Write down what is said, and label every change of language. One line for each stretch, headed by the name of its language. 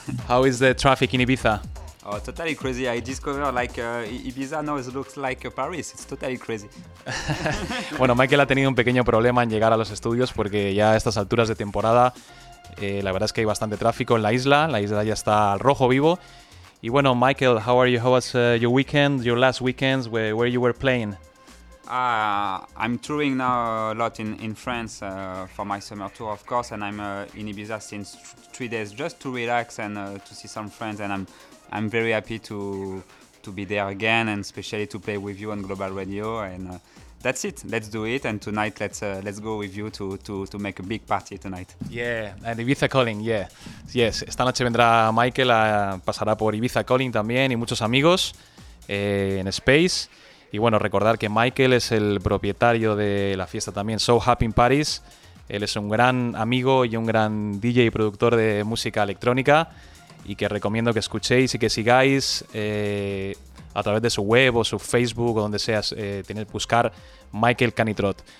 English: How is the traffic in Ibiza? Oh, totally crazy. I discovered like Ibiza now looks like Paris. It's totally crazy.
Spanish: Bueno, Michael ha tenido un pequeño problema en llegar a los estudios porque ya a estas alturas de temporada, la verdad es que hay bastante tráfico en la isla. La isla ya está al rojo vivo. Y bueno,
English: Michael, how are you? How was your weekend, your last weekend, where you were playing? I'm touring now a lot in France for my summer tour, of course, and I'm in Ibiza since 3 days just to relax and to see some friends, and I'm very happy to be there again, and especially to play with you on Global Radio, and that's it, let's do it, and tonight let's go with you to make a big party tonight. Yeah, and Ibiza Calling, yeah.
Spanish: Yes, esta noche vendrá Michael, pasará por Ibiza Calling también y muchos amigos en Space. Y bueno, recordar que Michael es el propietario de la fiesta también, So Happy in Paris. Él es un gran amigo y un gran DJ y productor de música electrónica y que recomiendo que escuchéis y que sigáis a través de su web o su Facebook o donde sea, buscar Michael Canitrot.